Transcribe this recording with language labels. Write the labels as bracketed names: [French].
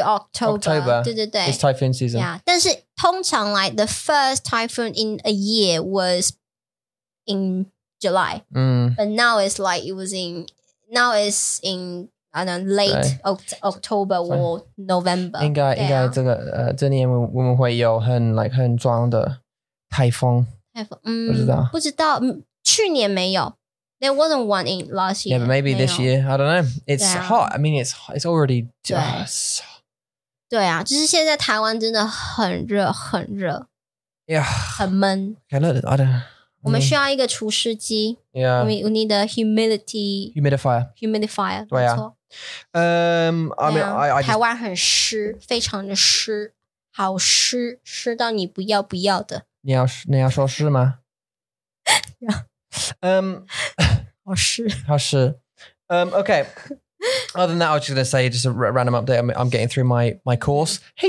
[Chinese] October 对对对 [English] it's typhoon season yeah [Chinese] 但是通常 [English] like the first typhoon in a year was in July but now it's like it was in now it's in I don't know, late October or November. [Chinese] 应该这个这年我们会有很 like 很壮的台风不知道去年没有 [English] There wasn't one in last year. Yeah, but maybe this year. I don't know. It's hot. I mean, it's already just. [Chinese] 对啊，就是现在台湾真的很热，很热。 [English] Yeah. [Chinese] 很闷。 [English] I love it. I don't know. [Chinese] 我们需要一个除湿机 [English] Yeah We need a humidity Humidifier [Chinese] 对啊 [English] I mean yeah, I [Chinese] 台湾很湿非常的湿好湿湿到你不要不要的你要说湿吗 [English] Yeah [Chinese] 好湿 [English] OK Other than that I was just going to say Just a random update I'm getting through my course Hey